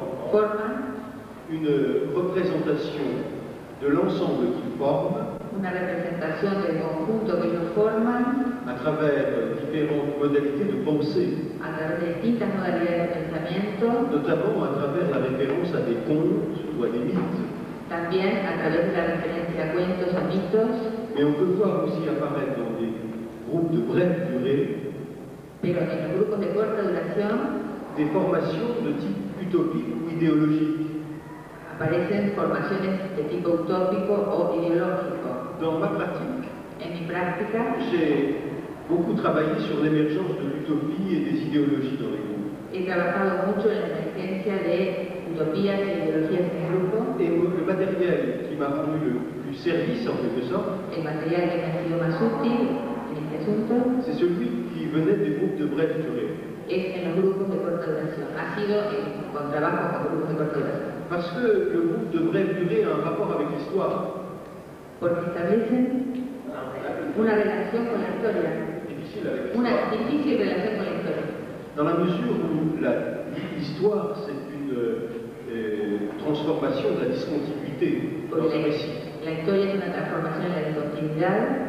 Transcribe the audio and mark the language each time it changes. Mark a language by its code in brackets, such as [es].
[es] forman [fr] une représentation de l'ensemble qu'ils forment. [es] Una representación del conjunto que ellos forman. [fr] À travers différentes modalités de pensée. [es] A través de distintas modalidades de pensamiento. [fr] Notamment à travers la référence à des contes ou à des mythes. [es] También a través de la referencia a cuentos, a mitos. [fr] Mais on peut voir aussi apparaître dans des groupes de brève durée. [es] Pero en los grupos de corta duración. [fr] Des formations de type utopique ou idéologique. [es] Aparecen formaciones de tipo utópico o ideológico. [fr] Dans ma pratique, [es] en mi práctica, [fr] j'ai beaucoup travaillé sur l'émergence de l'utopie et des idéologies dans les groupes. [es] He trabajado mucho en la emergencia de utopías y ideologías en el grupo. [fr] Et le matériel qui m'a rendu le plus service en quelque sorte, [es] el material que me ha sido más útil en este asunto, [fr] c'est celui qui venait des groupes de brève durée. [es] Es en los grupos de corta duración. Ha sido con trabajo con grupos de corta duración. [fr] Parce que le groupe de brève durée a un rapport avec l'histoire. [es] Porque establecen una relación con la historia. [fr] Difficile [es] relación con la historia. [fr] Dans la mesure où l'histoire, c'est une transformation de la discontinuité dans un récit. [es] La historia es una transformación de la discontinuidad.